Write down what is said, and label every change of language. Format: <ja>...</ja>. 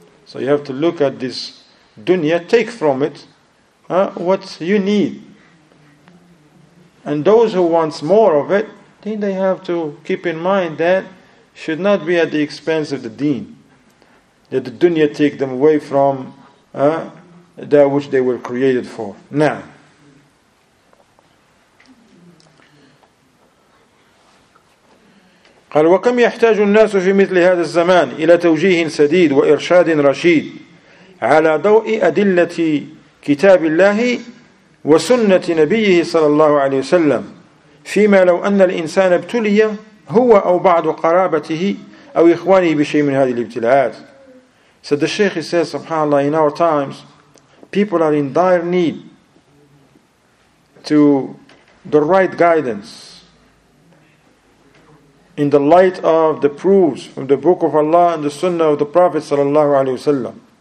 <en>So you have to look at this dunya, take from it what you need. And those who want more of it, then they have to keep in mind that should not be at the expense of the deen. That the dunya take them away from that which they were created for.</en> <ar>Now, قال وكم يحتاج الناس في مثل هذا الزمان إلى توجيه سديد وإرشاد رشيد على ضوء أدلة كتاب الله وسنة نبيه صلى الله عليه وسلم فيما لو أن الإنسان ابتلي هو أو بعض قرابته أو إخوانه بشيء من هذه الابتلاءات.</ar> <en>So the Sheikh says, subhanAllah, in our times, people are in dire need to the right guidance. In the light of the proofs from the Book of Allah and the Sunnah of the Prophet sallallahu alaihi wasallam,</en>